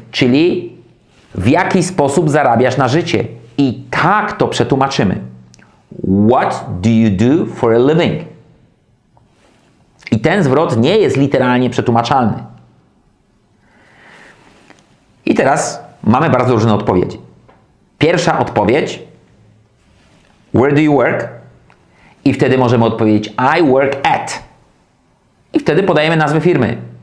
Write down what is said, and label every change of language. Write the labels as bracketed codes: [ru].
[pl] Czyli w jaki sposób zarabiasz na życie? I tak to przetłumaczymy. [en] What do you do for a living? [pl] I ten zwrot nie jest literalnie przetłumaczalny. I teraz mamy bardzo różne odpowiedzi. Pierwsza odpowiedź. [en] Where do you work? [pl] I wtedy możemy odpowiedzieć [en] I work at. [pl] I wtedy podajemy nazwę firmy.